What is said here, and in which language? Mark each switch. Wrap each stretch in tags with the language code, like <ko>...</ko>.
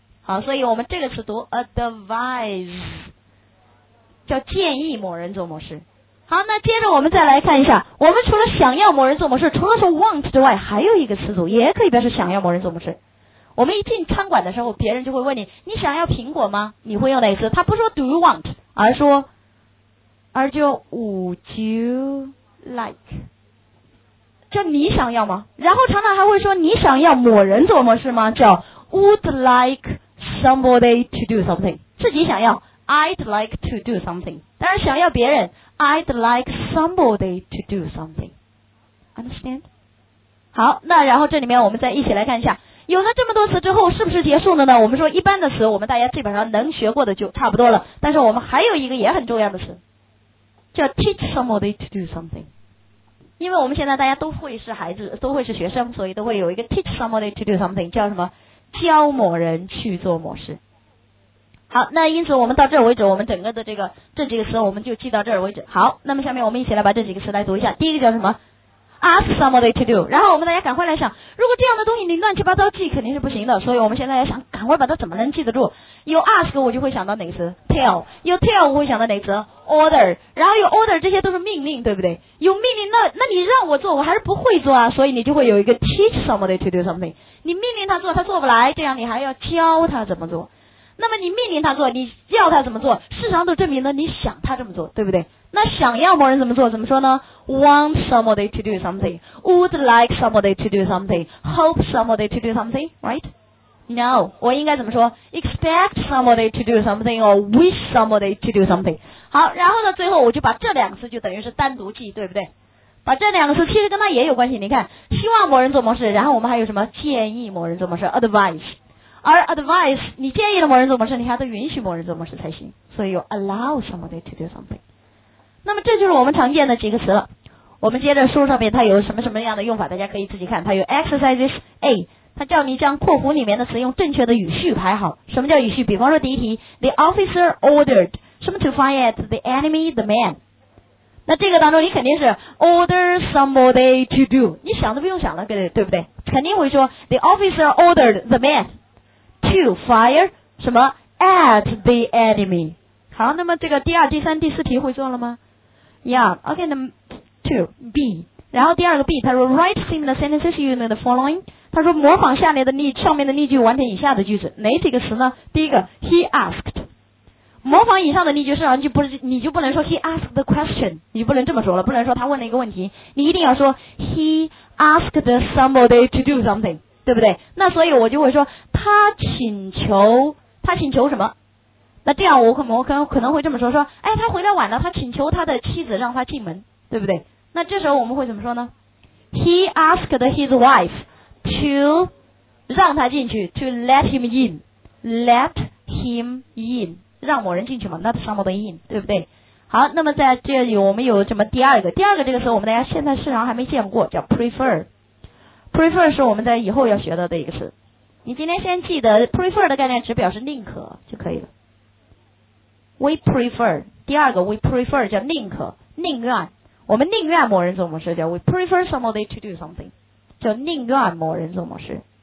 <zh>好，所以我们这个词读 advise，叫建议某人做某事。好，那接着我们再来看一下，我们除了想要某人做某事，除了说 want 之外，还有一个词组也可以表示想要某人做某事。我们一进餐馆的时候，别人就会问你，你想要苹果吗？你会用哪个词？他不说</zh> <en>do you want，</en> <zh>而就</zh> <en>would you like，</en> <zh>叫你想要吗？然后常常还会说你想要某人做某事吗？叫 would like somebody to do something， 自己想要</zh> <en>I'd like to do something，</en> <zh>但是想要别人</zh> <en>I'd like somebody to do something，</en> <zh>understand？好，那然后这里面我们再一起来看一下，有了这么多词之后是不是结束了呢？我们说一般的词我们大家基本上能学过的就差不多了，但是我们还有一个也很重要的词，叫 teach somebody to do something。因为我们现在大家都会是孩子，都会是学生，所以都会有一个 teach somebody to do something， 叫什么？教某人去做某事。好，那因此我们到这儿为止，我们整个的这几个词我们就记到这儿为止。好，那么下面我们一起来把这几个词来读一下。第一个叫什么？ask somebody to do。然后我们大家赶快来想，如果这样的东西你乱七八糟记肯定是不行的，所以我们现在要想赶快把它怎么能记得住。有 ask 我就会想到哪个词？</zh> <en>tell。</en> <zh>有 tell 我会想到哪个词？</zh> <en>order。</en> <zh>然后有 order， 这些都是命令，对不对？有命令，那你让我做我还是不会做啊，所以你就会有一个 teach somebody to do something。你命令他做他做不来，这样你还要教他怎么做。那么你命令他做，你要他怎么做，市场都证明了你想他这么做，对不对？那想要某人怎么做，怎么说呢？</zh> <en>want somebody to do something， would like somebody to do something， hope somebody to do something， right？ no，</en> <zh>我应该怎么说？</zh> <en>expect somebody to do something or wish somebody to do something。</en> <zh>好，然后呢最后我就把这两个词就等于是单独记，对不对？把这两个词其实跟他也有关系，你看希望某人做某事，然后我们还有什么建议某人做某事， advice。而 advice 你建议了某人做某事，你还得允许某人做某事才行，所以有 allow somebody to do something。那么这就是我们常见的几个词了。我们接着书上面它有什么什么样的用法，大家可以自己看。它有</zh> <en>exercises A，</en> <zh>它叫你将括弧里面的词用正确的语序排好。什么叫语序？比方说第一题</zh> <en>the officer ordered</en> <zh>什么</zh> <en>to fire at the enemy the man，</en> <zh>那这个当中你肯定是 order somebody to do， 你想都不用想了，对不对？肯定会说</zh> <en>the officer ordered the manto fire 什么 at the enemy。</en> <zh>好，那么这个第二第三第四题会做了吗？yeah ok to B， 然后第二个 B 他说</zh> <en>write similar sentences using the following，</en> <zh>他说模仿下面的例上面的例句完成以下的句子，哪几个词呢？第一个 he asked， 模仿以上的例句，上就不你就不能说</zh> <en>he asked the question，</en> <zh>你就不能这么说了，不能说他问了一个问题，你一定要说</zh> <en>he asked somebody to do something，</en> <zh>对不对？那所以我就会说他请求什么，那这样我可能会这么说，说哎他回来晚了，他请求他的妻子让他进门，对不对？那这时候我们会怎么说呢？</zh> <en>He asked his wife to</en> <zh>让他进去</zh> <en>to let him in, let him in,</en> <zh>让某人进去嘛 not somebody in, 对不对？好，那么在这里我们有什么第二个，第二个这个词我们大家现在市场还没见过，叫 prefer。 prefer 是我们在以后要学到的一个词，你今天先记得 prefer 的概念只表示宁可就可以了。 we prefer, 第二个 we prefer 叫宁可，宁愿，我们宁愿某人做某事叫</zh> <en>we prefer somebody to do something,</en> <zh>叫宁愿某人做某事。</zh>